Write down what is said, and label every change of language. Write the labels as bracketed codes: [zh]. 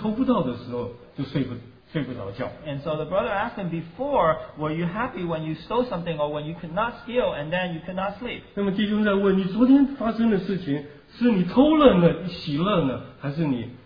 [zh] 弟兄就问他，你以前偷到东西的时候是喜乐呢，还是偷不到的时候就睡不着觉？ [en] And so the brother asked him, before, were you happy when you stole something or when you could not steal and then you could not sleep? [zh] 那么弟兄在问，你昨天发生的事情，是你偷了呢，喜乐呢，还是你？